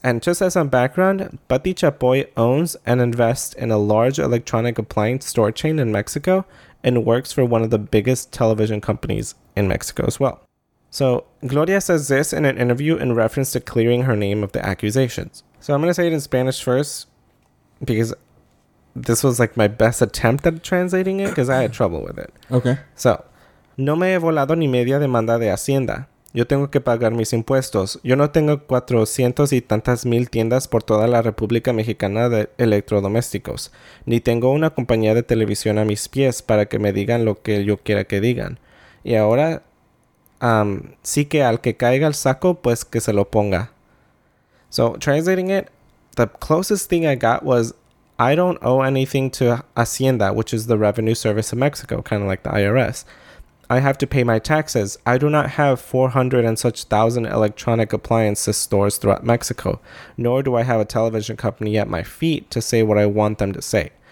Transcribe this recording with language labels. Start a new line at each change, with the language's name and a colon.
English: And just as some background, Patty Chapoy owns and invests in a large electronic appliance store chain in Mexico and works for one of the biggest television companies in Mexico as well. So Gloria says this in an interview in reference to clearing her name of the accusations. So I'm going to say it in Spanish first because this was like my best attempt at translating it because I had trouble with it. Okay.
Spanish: So, no me he volado ni media demanda de Hacienda. Yo tengo que pagar mis impuestos. Yo no tengo 400 y tantas mil tiendas por toda la República Mexicana de electrodomésticos. Ni tengo una compañía de televisión a mis pies para que me digan lo que yo quiera que digan. Y ahora, sí que al que caiga el saco, pues que se lo ponga.
English: So, translating it, the closest thing I got was, I don't owe anything to Hacienda, which is the Revenue Service of Mexico, kind of like the IRS. I have to pay my taxes. I do not have 400 and such thousand electronic appliances stores throughout Mexico, nor do I have a television company at my feet to say what I want them to say.